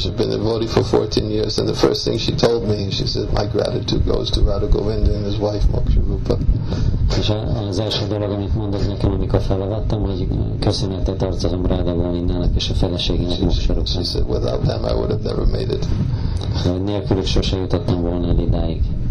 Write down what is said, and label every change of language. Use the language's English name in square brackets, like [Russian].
[English] She's been a devotee for 14 years, and the first thing she told me, she said, my gratitude goes to Radha Govinda and his wife Moksha Rupa. [Hungarian] És az első dolog, amit mondott nekem, amikor felavattam, hogy köszönetet tartozom Radha Govindának és a feleségének Moksha Rupa. [English] She said, without them I would have never made it. [Hungarian] Nélkülük sose jutottam volna el idáig.